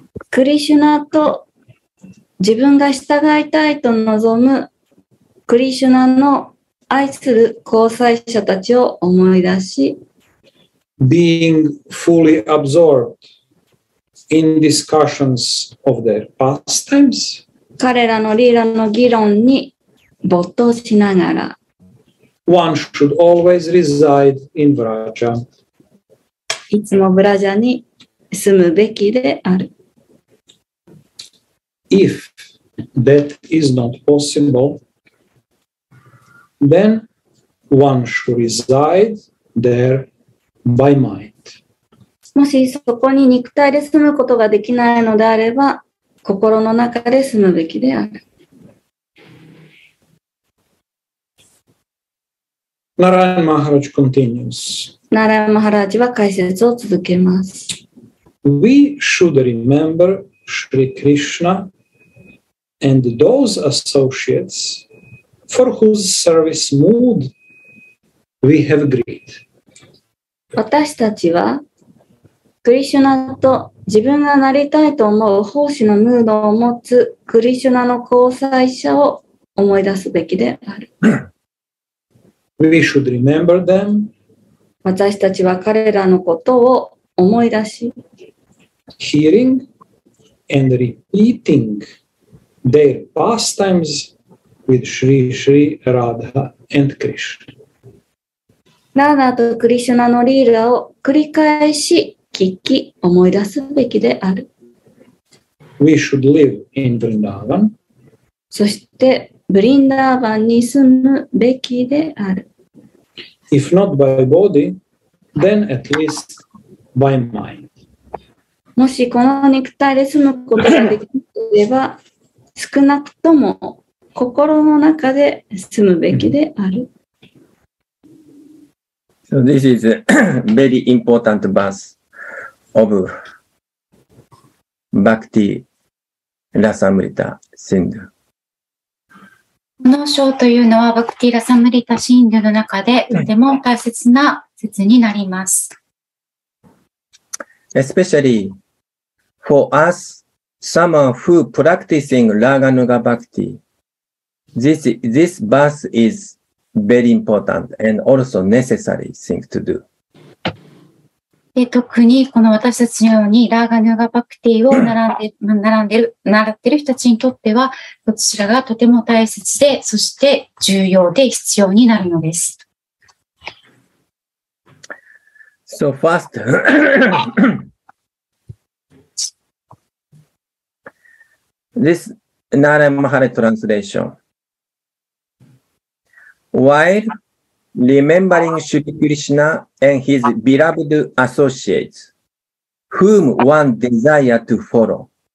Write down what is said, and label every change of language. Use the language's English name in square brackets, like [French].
[Japanese] クリシュナと自分が従いたいと望むクリシュナの愛する交際者たちを思い出し、 [English] being fully absorbed in discussions of their pastimes, [Japanese] 彼らのリーラの議論に没頭しながら、 [English] one should always reside in Vraja. [Japanese] いつもブラジャに住むべきである。 [English] If that is not possible,Then one should reside there by mind. [Japanese] もしそこに肉体で住むことができないのであれば、心の中で住むべきである。 [English] ナラヤン・マハラジ continues. [Japanese] ナラヤン・マハラジは解説を続けます。 [English] We should remember Shri Krishna and those associates. For whose service mood we have agreed. [Japanese] 私たちはクリシュナと自分がなりたいと思う奉仕のムードを持つクリシュナの交際者を思い出すべきである。 [English] We should remember them. [Japanese] 私たちは彼らのことを思い出し、 [English] hearing and repeating their pastimes. With Shri Shri Radha and Krishna. [Japanese] Radha とクリシュナのリーラを繰り返し聞き思い出すべきである。 [English] We should live in Vrindavan. [Japanese] そしてブリンダーバンに住むべきである。 [English] If not by body, then at least by mind. [Japanese] もしこの肉体で住むことができなければ少なくとも心の中で住むべきである。 [English] So this is a very important verse of Bhakti Rasamrita Sindhu. [Japanese] この章というのはバクティラサムリタ神話の中でとても大切な説になります。 [English] Especially for us, someone who practicing Raganuga Bhakti, this verse is very important and also necessary thing to do. [Japanese] 特にこの私たちのようにラーガヌーガバクティを習っている人たちにとってはこちらがとても大切でそして重要で必要になるのです。 [English] So first This Narayana Mahara translation WhileRemembering Sri Krishna and his beloved associates, whom one desire to follow.